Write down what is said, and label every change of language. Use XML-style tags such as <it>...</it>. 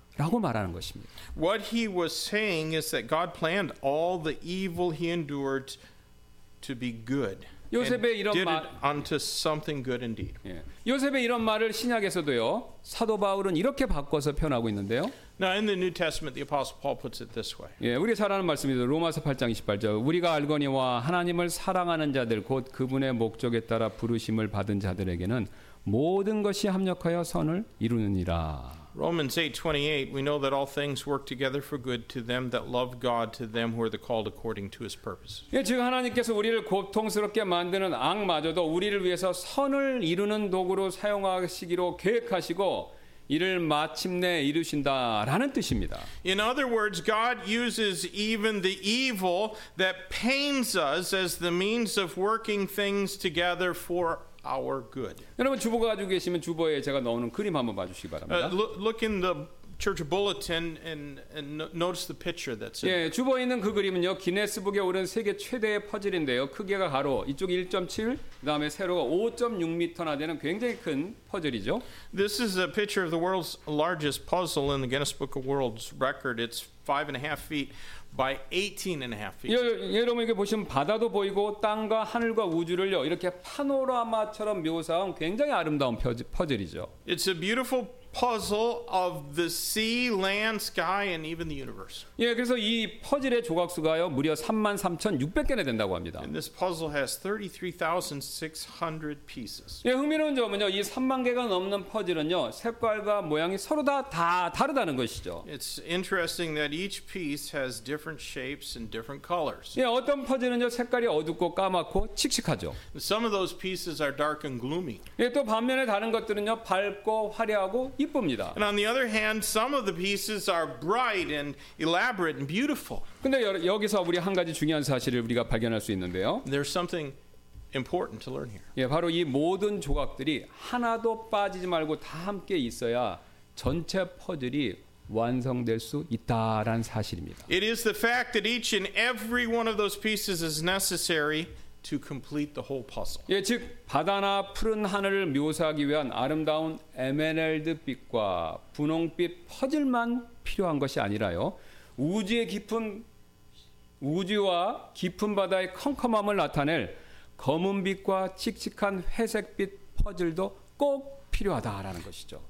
<ko>라고 말하는 것입니다.</ko> <en>What he was saying is that God planned all the evil he endured to be good.</en> <ko>요셉의</ko> <en>and</en> <ko>이런</ko> <en>did</en> <ko>말</ko> <en>it unto something good indeed.</en> <ko>예. 요셉의 이런 말을 신약에서도요. 사도 바울은 이렇게 바꿔서 표현하고 있는데요.</ko> <en>Now in the New Testament the apostle Paul puts it this way.</en> <ko>예, 우리 사랑하는 말씀이죠. 로마서 8장 28절. 우리가 알거니와 하나님을 사랑하는 자들 곧 그분의 목적에 따라 부르심을 받은 자들에게는 모든 것이 합력하여 선을 이루느니라.</ko> <en>Romans 8:28, we know that all things work together for good to them that love God, to them who are the called according to his purpose.</en> <ko>예, 즉 하나님께서 우리를 고통스럽게 만드는 악마저도 우리를 위해서 선을 이루는 도구로 사용하시기로 계획하시고 이를 마침내 이루신다라는 뜻입니다.</ko> <en>In other words, God uses even the evil that pains us as the means of working things together for our good.</en> <ko>여러분 주보 가지고 계시면 주보에 제가 넣어놓은 그림 한번 봐주시기 바랍니다.</ko> <en>Look in the church bulletin and notice the picture that's in.</en> <ko>예, 주보에 있는 그 그림은요 기네스북에 오른 세계 최대의 퍼즐인데요. 크기가 가로 이쪽 1.7, 그다음에 세로가 5.6m나 되는 굉장히 큰 퍼즐이죠.</ko> <en>This is a picture of the world's largest puzzle in the Guinness Book of World's Record. It's 5.5 feet. By 18.5 feet.</en> <ko>여러분 이렇게 보시면 바다도 보이고 땅과 하늘과 우주를요 이렇게 파노라마처럼 묘사한 굉장히 아름다운 퍼즐이죠.</ko> <en>It's a beautiful puzzle of the sea, land, sky, and even the universe.</en> <ko>예, 그래서 이 퍼즐의 조각수가요 무려 33,600개나 된다고 합니다.</ko> <en>And this puzzle has 33,600 pieces.</en> <ko>예, 흥미로운 점은요 이 3만 개가 넘는 퍼즐은요 색깔과 모양이 서로 다 다르다는 것이죠.</ko> <en>It's interesting that each piece has different shapes and different colors.</en> <ko>예, 어떤 퍼즐은요 색깔이 어둡고 까맣고 칙칙하죠.</ko> <en>Some of those pieces are dark and gloomy.</en> <ko>예, 또 반면에 다른 것들은요 밝고 화려하고 이쁩니다.</ko> <en>And on the other hand, some of the pieces are bright and elaborate and beautiful.</en> <ko>근데 여기서 우리 한 가지 중요한 사실을 우리가 발견할 수 있는데요.</ko> <en>There's something important to learn here.</en> <ko>예, 바로 이 모든 조각들이 하나도 빠지지 말고 다 함께 있어야 전체 퍼즐이 완성될 수 있다라는 사실입니다.</ko> <en>It is the fact that each and every one of those pieces is necessary to complete the whole puzzle.</en> <ko>예, 즉 바다나 푸른 하늘을 묘사하기 위한 아름다운 에메랄드빛과 분홍빛 퍼즐만 필요한 것이 아니라요. 우주의 깊은 우주와 깊은 바다의 컴컴함을 나타낼 검은빛과 칙칙한 회색빛 퍼즐도 꼭 필요하다라는 것이죠.</ko>